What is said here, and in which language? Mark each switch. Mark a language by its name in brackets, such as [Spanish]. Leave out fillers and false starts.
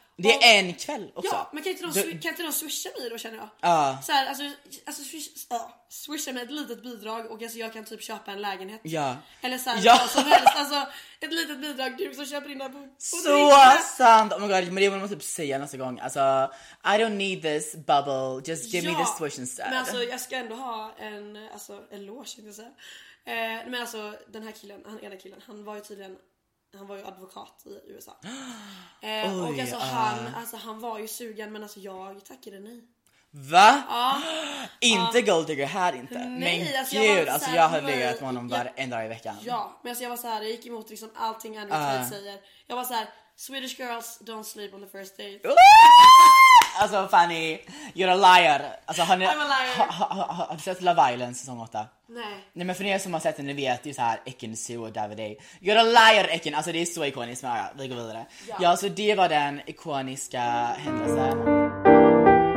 [Swedish] det är en kväll också. Ja, men kan inte de swisha mig då, känner jag. Så här, alltså swisha mig ett litet bidrag och alltså jag kan typ köpa en lägenhet. Ja. Eller så här, ja. Som helst, alltså ett litet bidrag du som köper in där på. Så sant. [English] Oh my god, [Swedish] men det måste man typ säga nästa gång. Alltså [English] I don't need this bubble. Just give me this swish instead. [Swedish] Men alltså jag ska ändå ha en alltså en loge, kan jag säga. Men alltså den här killen, han var ju tydligen, han var ju advokat i USA. Oj, och alltså han var ju sugen, men alltså jag tackade nej. Va? Ja. Inte gold digger här inte. Nej, men alltså, jag hade legat med honom bara en dag i veckan. Ja, men alltså jag var så här, jag gick emot liksom allting han säger. Jag var så här, [English] Swedish girls don't sleep on the first date. [Swedish] Alltså [English] Fanny, you're a liar. [Swedish] Alltså [English] I'm a liar. [Swedish] Har du sett Love Island säsong 8? Nej. Nej, men för ni som har sett den, ni vet ju så här, Ekin Sue och Davide. [English] You're a liar, Ekin. [Swedish] Alltså det är så ikoniskt, men ja, vi går vidare. Ja, så det var den ikoniska händelsen.